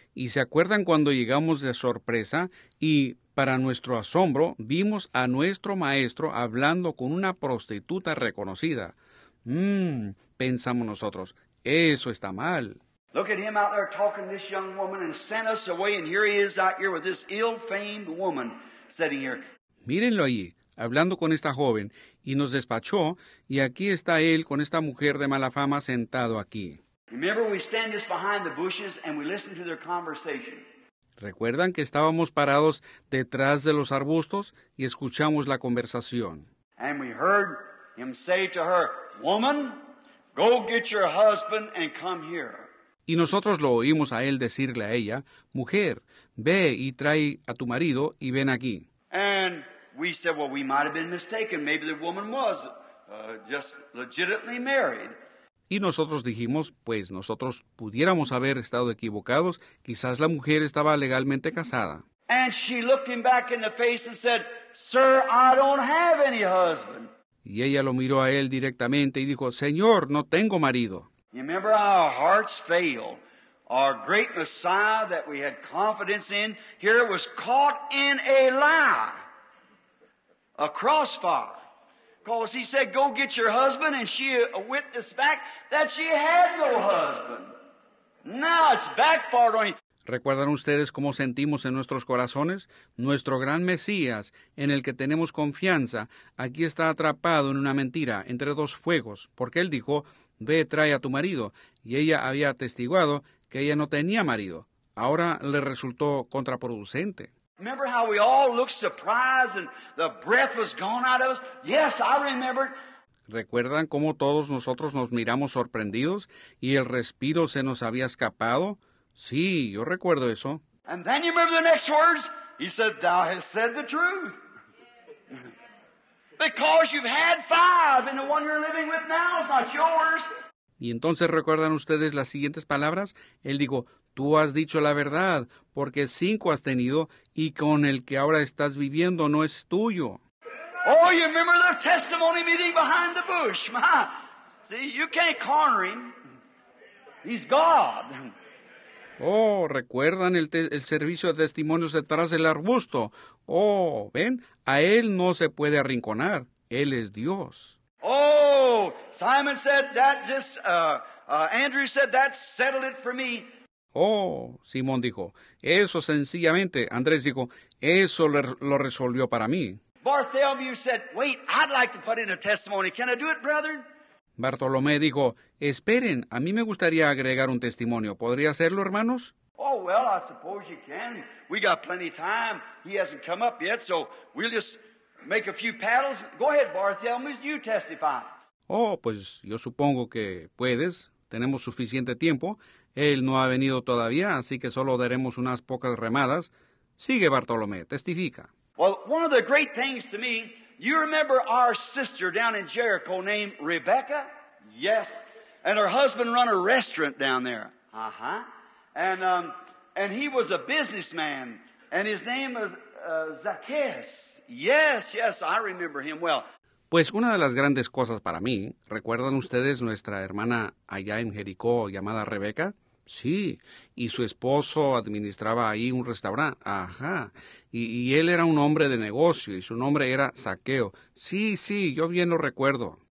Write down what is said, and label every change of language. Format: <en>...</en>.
<es>Y se acuerdan cuando llegamos de sorpresa y para nuestro asombro vimos a nuestro maestro hablando con una prostituta reconocida. Pensamos nosotros, eso está mal.</es> <en>Look at him out there talking to this young woman and sent us away and here he is out here with this ill-famed woman sitting here.</en> <es>Mírenlo allí, hablando con esta joven y nos despachó y aquí está él con esta mujer de mala fama sentado aquí.</es> <en>Remember we stand just behind the bushes and we listen to their conversation.</en> <es>¿Recuerdan que estábamos parados detrás de los arbustos y escuchamos la conversación?</es> <en>And we heard him say to her, woman, go get your husband and come here.</en> <es>Y nosotros lo oímos a él decirle a ella, mujer, ve y trae a tu marido y ven aquí.</es> <en>And we said, well, we might have been mistaken. Maybe the woman was just legitimately married.</en> <es>Y nosotros dijimos, pues nosotros pudiéramos haber estado equivocados. Quizás la mujer estaba legalmente casada.</es> <en>And she looked him back in the face and said, sir, I don't have any husband.</en> <es>Y ella lo miró a él directamente y dijo, señor, no tengo marido.</es> <en>You remember our hearts failed. Our great Messiah that we had confidence in here was caught in a lie, a crossfire. Because he said, go get your husband, and she witnessed back that she had no husband. Now it's backfired on you.</en> <es>¿Recuerdan ustedes cómo sentimos en nuestros corazones? Nuestro gran Mesías, en el que tenemos confianza, aquí está atrapado en una mentira, entre dos fuegos, porque él dijo, ve, trae a tu marido, y ella había atestiguado que ella no tenía marido. Ahora le resultó contraproducente.</es> <en>Remember how we all looked surprised and the breath was gone out of us? Yes, I remember.</en> <es>¿Recuerdan cómo todos nosotros nos miramos sorprendidos y el respiro se nos había escapado? Sí, yo recuerdo eso.</es> <en>And then you remember the next words? He said, thou hast said the truth. Because you've had five and the one you're living with now is not yours.</en> <es>Y entonces recuerdan ustedes las siguientes palabras? Él dijo, tú has dicho la verdad, porque cinco has tenido y con el que ahora estás viviendo no es tuyo.</es> <en>Oh, you remember the testimony meeting behind the bush. My. See, you can't corner him. He's God.</en> <es>Oh, ¿recuerdan el servicio de testimonios detrás del arbusto? Oh, ¿ven? A él no se puede arrinconar. Él es Dios.</es> <en>Oh, Simon said that just, Andrew said that settled it for me.</en> <es>Oh, Simón dijo, eso sencillamente, Andrés dijo, eso lo resolvió para mí.</es> <en>Bartholomew said, wait, I'd like to put in a testimony. Can I do it, brethren?</en> <es>Bartolomé dijo, esperen, a mí me gustaría agregar un testimonio. ¿Podría hacerlo, hermanos?</es> <en>Oh, well, I suppose you can. We got plenty of time. He hasn't come up yet, so we'll just make a few paddles. Go ahead, Bartholomew, you testify.</en> <es>Oh, pues yo supongo que puedes. Tenemos suficiente tiempo. Él no ha venido todavía, así que solo daremos unas pocas remadas. Sigue, Bartolomé, testifica.</es> <en>Well, one of the great things to me, you remember our sister down in Jericho named Rebecca? Yes. And her husband run a restaurant down there. Uh-huh. And he was a businessman. And his name was Zacchaeus. Yes, yes, I remember him well.</en> <es>Pues una de las grandes cosas para mí, ¿recuerdan ustedes nuestra hermana allá en Jericó llamada Rebeca? Sí, y su esposo administraba ahí un restaurante. Ajá, y él era un hombre de negocio y su nombre era Zaqueo. Sí, sí, yo bien lo recuerdo.</es>